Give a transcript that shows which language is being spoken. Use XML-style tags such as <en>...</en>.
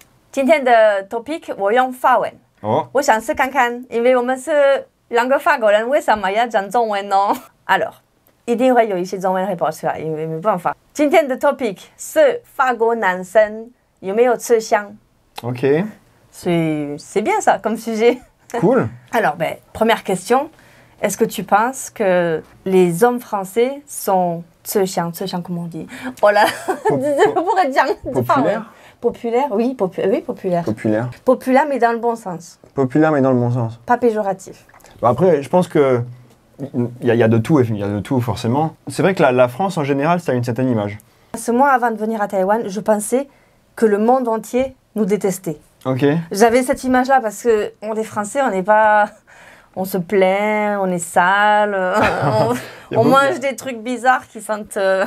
<zh>今天的 topic 我用法文。哦。我想试看看，因为我们是两个法国人，为什么要讲中文呢？ Alors， 一定会有一些中文会跑出来，因为没办法。今天的 topic 是法国男生有没有吃香？OK，所以随便</zh> <fr>ça comme sujet。 Cool。 Alors, ben, première question, est-ce que tu penses que les hommes français sont 吃香？ 吃香 comment on dit？ Voilà，</fr> <zh>这不不会讲法文。</zh> <fr>Populaire， oui， populaire。 Populaire。 Populaire mais dans le bon sens。 Populaire mais dans le bon sens。 Pas péjoratif。 Bah après, je pense que il y a de tout, il y a de tout forcément. C'est vrai que la France en général, ça a une certaine image. Parce que moi, avant de venir à Taïwan, je pensais que le monde entier nous détestait. Ok. J'avais cette image-là parce que on est français, on n'est pas, on se plaint, on est sale, on mange des trucs bizarres qui sentent.</fr>